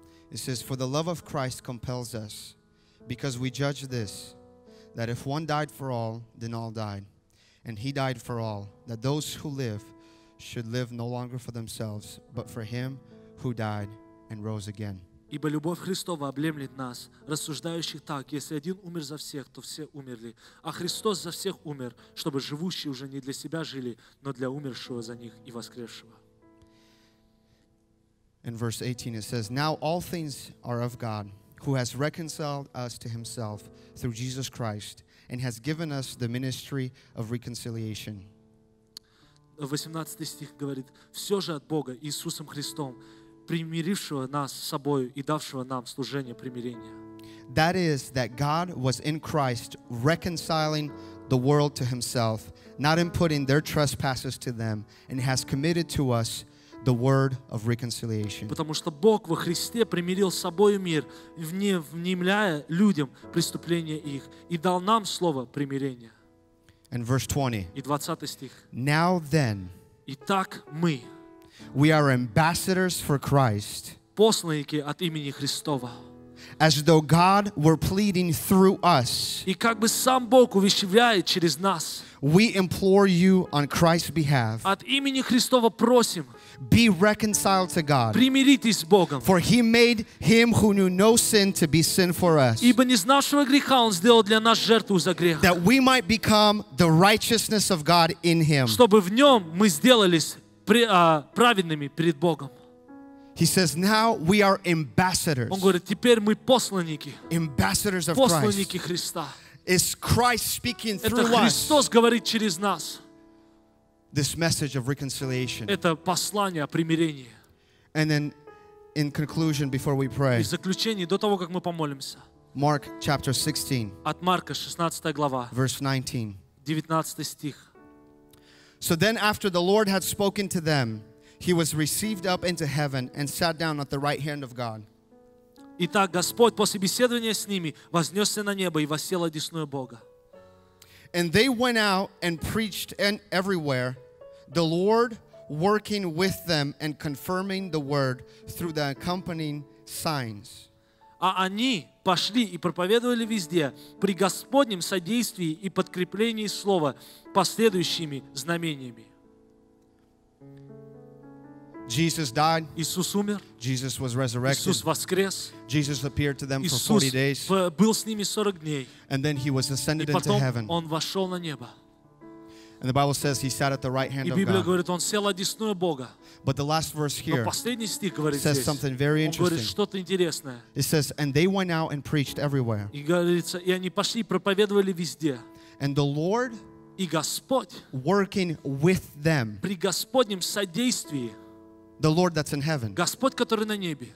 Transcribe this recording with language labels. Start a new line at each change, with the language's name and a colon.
English: It says, for the love of Christ compels us, because we judge this, that if one died for all, then all died. And he died for all, that those who live should live no longer for themselves, but for him who died and rose again.
Russian: Ибо любовь Христова облемлет нас, рассуждающих так, если один умер за всех, то все умерли. А Христос за всех умер, чтобы живущие уже не для себя жили, но для умершего за них и воскресшего.
English: In verse 18 it says, now all things are of God, who has reconciled us to himself through Jesus Christ, and has given us the ministry of reconciliation.
Russian: 18 стих говорит, все же от Бога, Иисусом Христом, примирившего нас с собою и давшего нам служение примирения.
English: That is, that God was in Christ reconciling the world to himself, not imputing their trespasses to them, and has committed to us the word of reconciliation.
Russian: Потому что Бог во Христе примирил с собою мир, внемляя людям преступления их, и дал нам слово примирения.
English: And verse 20.
Russian: И 20 стих.
English: Now then,
Russian: итак мы,
English: we are ambassadors for Christ.
Russian: Посланники от имени Христова.
English: As though God were pleading through us.
Russian: И как бы сам Бог увещевляет через нас.
English: We implore you on Christ's behalf.
Russian: От имени Христова просим.
English: Be reconciled to God.
Russian: Примиритесь с Богом.
English: For he made him who knew no sin to be sin for us.
Russian: Ибо не знавшего греха он сделал для нас жертву за грех.
English: That we might become the righteousness of God in him.
Russian: Чтобы в нем мы сделались праведными перед Богом.
English: He says, now we are ambassadors.
Russian: Он говорит, теперь мы посланники.
English: Ambassadors of
Russian: Christ. Посланники Христа.
English: Is Christ speaking through us?
Russian: Это Христос говорит через нас.
English: This message of reconciliation.
Russian: Это послание о примирении.
English: And then, in conclusion, before we pray.
Russian: И в заключение, до того, как мы помолимся.
English: Mark chapter 16.
Russian: От Марка, 16 глава.
English: Verse 19.
Russian: 19 стих.
English: So then after the Lord had spoken to them, he was received up into heaven and sat down at the right hand of God.
Russian: Итак, Господь после беседования с ними вознесся на небо и воссел одесную Бога.
English: And they went out and preached everywhere, the Lord working with them and confirming the word through the accompanying signs.
Russian: А они пошли и проповедовали везде при Господнем содействии и подкреплении слова последующими знамениями.
English: Jesus died.
Russian: Иисус умер.
English: Jesus was resurrected.
Russian: Иисус воскрес.
English: Jesus appeared to them
Russian: Иисус
English: for 40 days.
Russian: Был с ними 40 дней.
English: And then he was ascended
Russian: и потом
English: into heaven.
Russian: Он вошел на небо.
English: And the Bible says he sat at the right hand of God.
Russian: И Библия говорит, он сел одесную Бога.
English: But the last verse here
Russian: последний стих говорит
English: says something very interesting.
Russian: Он говорит что-то интересное.
English: It says, and they went out and preached everywhere.
Russian: И говорится, и они пошли и проповедовали везде.
English: And the Lord,
Russian: и Господь,
English: working with them,
Russian: при Господнем содействии,
English: the Lord that's in heaven,
Russian: Господь, который на небе,